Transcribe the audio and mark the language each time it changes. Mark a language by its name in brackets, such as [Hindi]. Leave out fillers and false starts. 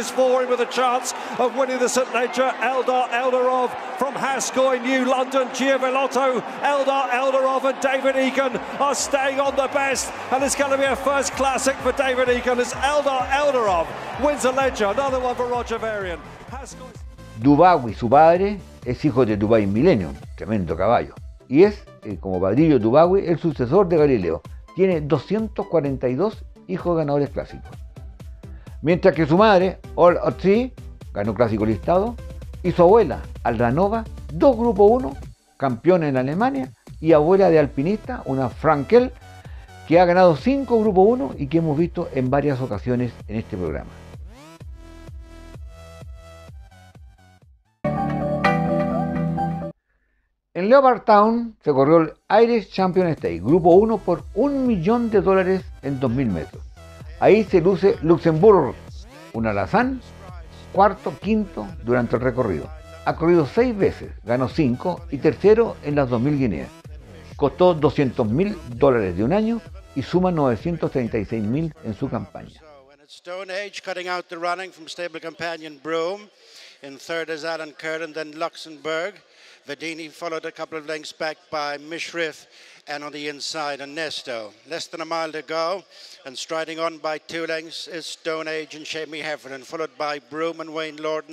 [English] It's four in with a chance of winning the St. Ledger. Eldarov from Haskoy, New London, Gia Velotto, Eldarov and David Egan are staying on the best, and it's going to be a first classic for David Egan as Eldarov wins the Ledger. Another one for Roger Varian. [Spanish] Dubawi, su padre, es hijo de Dubai Millennium, tremendo caballo, y es, como padrillo Dubawi, el sucesor de Galileo. Tiene 242 hijos ganadores clásicos. Mientras que su madre, All of Three, ganó clásico listado, y su abuela, Aldanova, dos Grupo 1, campeona en Alemania, y abuela de alpinista, una Frankel, que ha ganado 5 Grupo 1 y que hemos visto en varias ocasiones en este programa. En Leopard Town se corrió el Irish Champion Stakes, Grupo 1 por $1,000,000 en 2.000 metros. Ahí se luce Luxemburgo, un alazán, cuarto, quinto durante el recorrido. Ha corrido 6 veces, ganó 5 y tercero en las 2.000 guineas. Costó $200,000 de un año y suma $936,000 en su campaña. [English] Stone Age cutting out the running from stable companion Broome. In third is Alan Curran, then Luxemburg. Vedini followed a couple of lengths back by Mishriff and on the inside Ernesto. Less than a mile to go and striding on by two lengths is Stone Age and Jamie Heffernan, followed by Broome and Wayne Lorden.